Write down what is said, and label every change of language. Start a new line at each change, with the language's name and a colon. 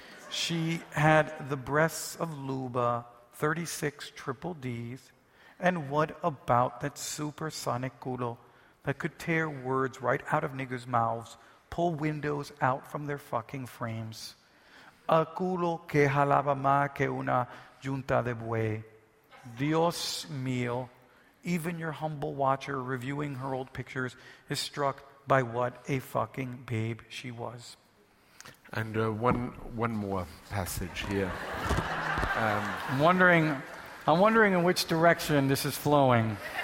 English: She had the breasts of Luba, 36 triple Ds, and what about that supersonic culo that could tear words right out of niggers' mouths, pull windows out from their fucking frames?
Spanish: A culo que jalaba más que una junta de buey. Dios mío,
English: even your humble watcher reviewing her old pictures is struck by what a fucking babe she was. And one more passage here. I'm wondering in which direction this is flowing.